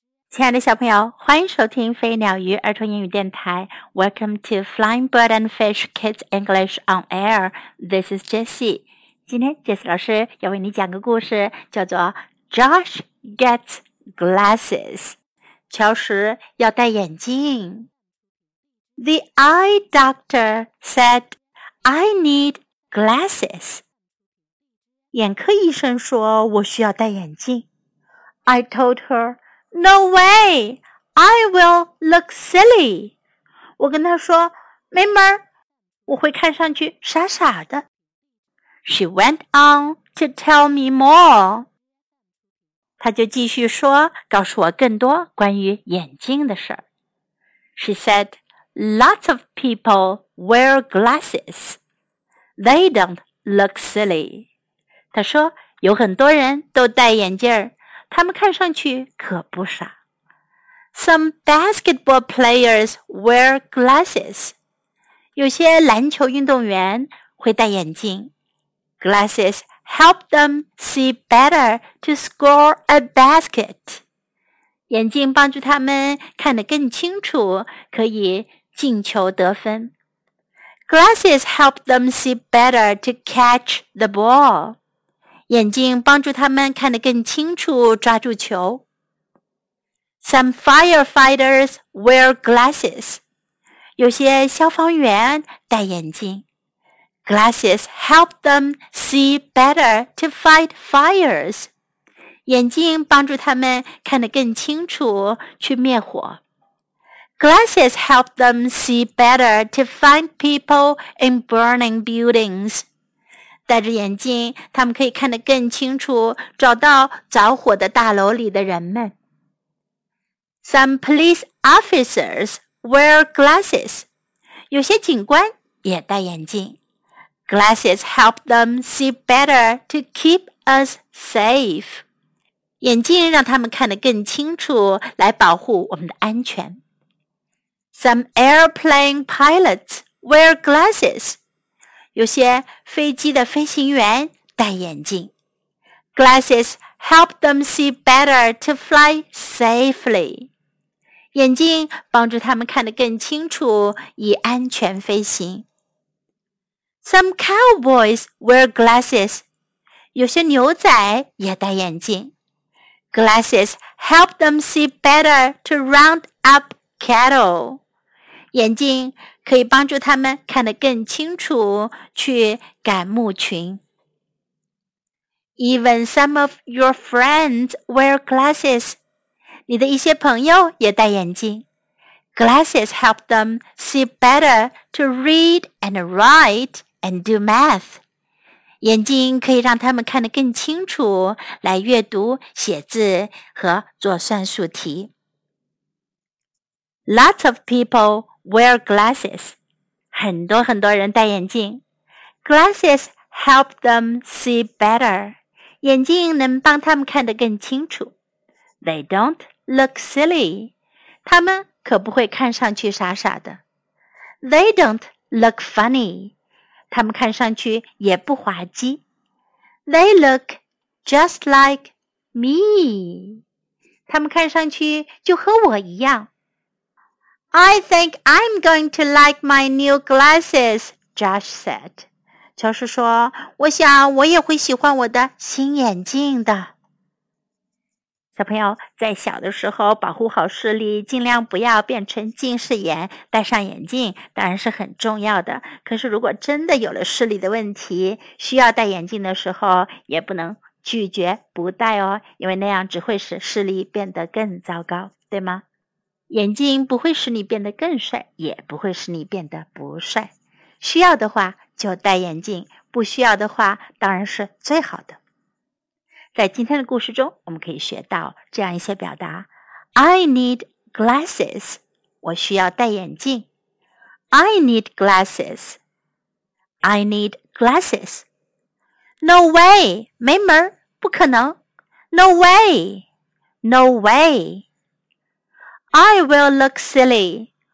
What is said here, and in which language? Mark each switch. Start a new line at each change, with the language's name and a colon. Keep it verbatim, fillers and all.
Chinese: 亲爱的小朋友，欢迎收听飞鸟鱼儿童英语电台。
English: Welcome to Flying Bird and Fish Kids English on Air. This is Jessie.
Chinese: 今天 Jessie 老师要为你讲个故事，叫做 Josh Gets Glasses. 乔什要戴眼镜。
English: The eye doctor said, I need glasses.
Chinese: 眼科医生说我需要戴眼镜。
English: I told her,No way! I will look silly.
Chinese: 我跟她说，没门儿，我会看上去傻傻的。
English: She went on to tell me more.
Chinese: 她就继续说，告诉我更多关于眼睛的事儿。
English: She said, lots of people wear glasses. They don't look silly.
Chinese: 她说，有很多人都戴眼镜儿。他们看上去可不傻。
English: Some basketball players wear glasses.
Chinese: 有些篮球运动员会戴眼镜。
English: Glasses help them see better to score a basket.
Chinese: 眼镜帮助他们看得更清楚，可以进球得分。
English: Glasses help them see better to catch the ball.
Chinese: 眼镜帮助他们看得更清楚，抓住球。
English: Some firefighters wear glasses.
Chinese: 有些消防员戴眼镜。
English: Glasses help them see better to fight fires.
Chinese: 眼镜帮助他们看得更清楚，去灭火。
English: Glasses help them see better to find people in burning buildings.
Chinese: 戴着眼镜，他们可以看得更清楚，找到着火的大楼里的人们。
English: Some police officers wear glasses.
Chinese: 有些警官也戴眼镜。
English: Glasses help them see better to keep us safe.
Chinese: 眼镜让他们看得更清楚，来保护我们的安全。
English: Some airplane pilots wear glasses.
Chinese: 有些飞机的飞行员戴眼镜。
English: Glasses help them see better to fly safely.
Chinese: 眼镜帮助他们看得更清楚，以安全飞行。
English: Some cowboys wear glasses.
Chinese: 有些牛仔也戴眼镜。
English: Glasses help them see better to round up cattle.
Chinese: 眼镜可以帮助他们看得更清楚，去赶牧群。
English: Even some of your friends wear glasses.
Chinese: 你的一些朋友也戴眼镜。
English: Glasses help them see better to read and write and do math.
Chinese: 眼镜可以让他们看得更清楚，来阅读、写字和做算术题。
English: Lots of people. Wear glasses.
Chinese: 很多很多人戴眼镜。
English: Glasses help them see better.
Chinese: 眼镜能帮他们看得更清楚。
English: They don't look silly.
Chinese: 他们可不会看上去傻傻的。
English: They don't look funny.
Chinese: 他们看上去也不滑稽。
English: They look just like me.
Chinese: 他们看上去就和我一样。
English: I think I'm going to like my new glasses, Josh said.
Chinese: 乔什说，我想我也会喜欢我的新眼镜的。小朋友，在小的时候保护好视力，尽量不要变成近视眼，戴上眼镜当然是很重要的。可是如果真的有了视力的问题，需要戴眼镜的时候，也不能拒绝不戴哦，因为那样只会使视力变得更糟糕，对吗？眼镜不会使你变得更帅，也不会使你变得不帅。需要的话就戴眼镜，不需要的话当然是最好的。在今天的故事中，我们可以学到这样一些表达
English: I need glasses
Chinese: 我需要戴眼镜
English: I need glasses I need glasses No way
Chinese: 没门儿，不可能
English: No way No way I will look silly.